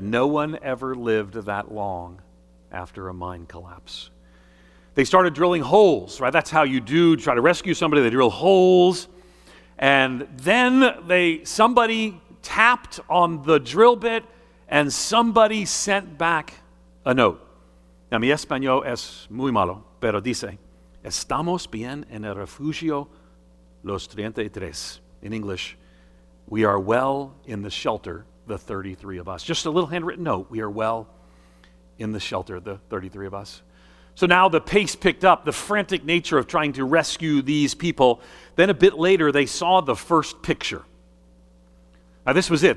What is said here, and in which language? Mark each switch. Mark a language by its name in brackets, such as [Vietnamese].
[English] No one ever lived that long after a mine collapse. They started drilling holes, right? That's how you do try to rescue somebody. They drill holes. And then somebody tapped on the drill bit and somebody sent back a note. [Spanish] Now, mi español es muy malo, pero dice, "Estamos bien en el refugio los 33. [English] In English, "We are well in the shelter, the 33 of us." Just a little handwritten note. "We are well in the shelter, the 33 of us." So now the pace picked up, the frantic nature of trying to rescue these people. Then a bit later, they saw the first picture. Now, this was it.